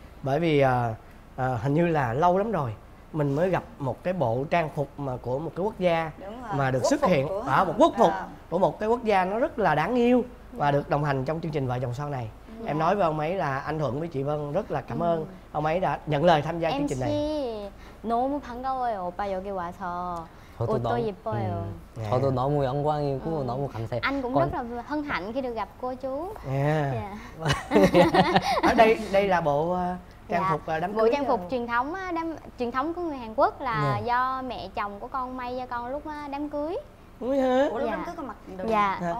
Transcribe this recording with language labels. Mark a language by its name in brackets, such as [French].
[Vietnamese] Bởi vì hình như là lâu lắm rồi mình mới gặp một cái bộ trang phục mà của một cái quốc gia mà được quốc xuất hiện của... ở một quốc phục của một cái quốc gia nó rất là đáng yêu và được đồng hành trong chương trình Vợ Chồng Son này. Em nói với ông ấy là anh Thuận với chị Vân rất là cảm ơn ông ấy đã nhận lời tham gia chương trình này. [Korean] 너무 반가워요. 오빠 여기 와서 옷도 예뻐요. 저도 너무 영광이고 너무 감사해요. [Vietnamese] Anh cũng rất là hân hạnh khi được gặp cô chú. Yeah. Ở đây là bộ trang phục đám cưới. Bộ trang phục truyền thống á, đám truyền thống của người Hàn Quốc là do mẹ chồng của con may cho con lúc đám cưới. Ủa hả? Ủa lúc đám cưới có mặc đồ này? Dạ.